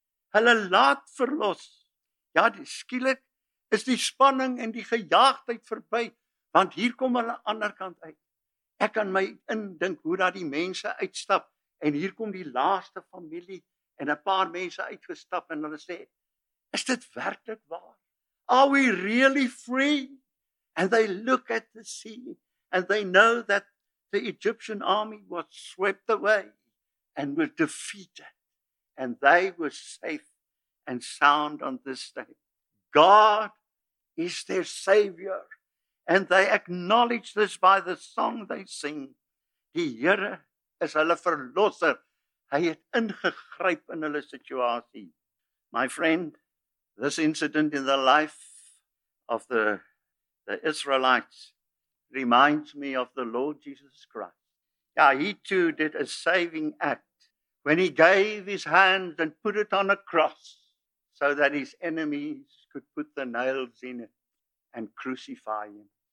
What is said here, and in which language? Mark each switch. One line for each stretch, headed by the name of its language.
Afrikaans: Hulle laat verlos. Ja, skielik is die spanning en die gejaagdheid verby, want hier kom hulle aan die ander kant uit. Ek kan my indink hoe dat die mense uitstap en hier kom die laaste familie en 'n paar mense uitgestap en hulle sê, is dit werklik waar?
English: Are we really free? And they look at the sea and they know that the Egyptian army was swept away and were defeated and they were safe and sound on this day. God is their savior and they acknowledge this by the song they sing.
Afrikaans: Die Here is hulle verlosser. Hy het ingegryp in hulle situasie.
English: My friend, this incident in the life of the Israelites reminds me of the Lord Jesus Christ. Yeah, he too did a saving act when he gave his hand and put it on a cross so that his enemies could put the nails in it and crucify him.